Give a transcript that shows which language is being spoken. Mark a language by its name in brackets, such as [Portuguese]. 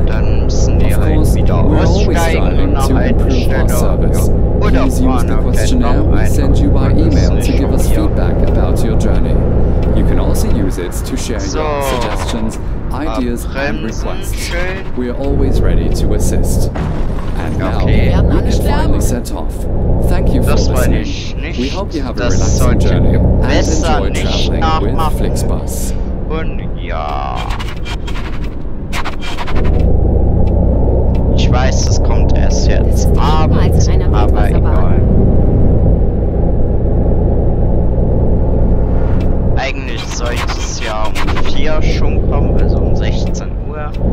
[German] Ja, dann müssen die halt wieder aussteigen und nach einer Stelle. Ja. [English] Please use the questionnaire we send you by email to give us feedback about your journey. You can also use it to share your suggestions, ideas and requests. We are always ready to assist. And now, we can finally set off. Thank you for listening. We hope you have a relaxing journey and enjoy traveling with Flixbus. [German] Und ja. Ich weiß, es kommt erst jetzt abends, aber egal. Eigentlich sollte es ja um 4 schon kommen, also um 16 Uhr.